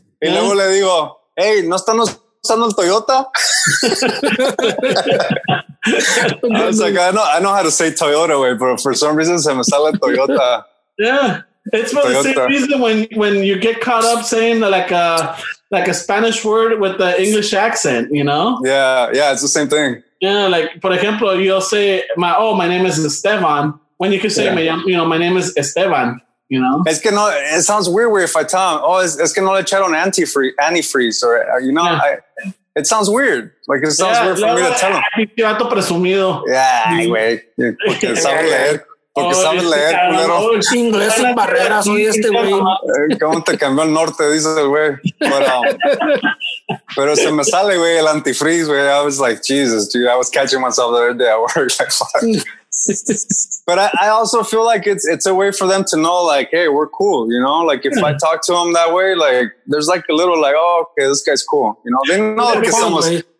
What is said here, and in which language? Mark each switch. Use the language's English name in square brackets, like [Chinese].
[Spanish] Y luego le digo, hey, ¿no están usando el Toyota? [English] I was like, I know how to say Toyota, wey, but for some reason, [Spanish] se me sale Toyota. [English] Yeah, it's for Toyota. The same reason when you get caught up saying like a Spanish word with the English accent, you know? Yeah, it's the same thing. Yeah, like, for example, you'll say, my name is Esteban, when you can say, my name is Esteban, you know? [Spanish] Es que no, [English] it sounds weird, if I tell him, [Spanish] es que no le echaron [English] antifreeze, or, you know, yeah. It sounds weird. Like, it sounds weird for me to tell him. [Spanish] Mi gato presumido. [English] Yeah, anyway. [Spanish] Porque sabe leer. Porque sabe leer, culero. Inglés sin barreras, oye, este güey. ¿Cómo te cambió el norte, dice el güey? Pero se me sale, güey, el antifreeze, güey. [English] I was like, Jesus, dude. I was catching myself the other day at work. Like, fuck. But I also feel like it's a way for them to know, like, hey, we're cool, you know? Like, if I talk to them that way, like, there's like a little, like, oh, okay, this guy's cool, you know? They know [Spanish] que somos...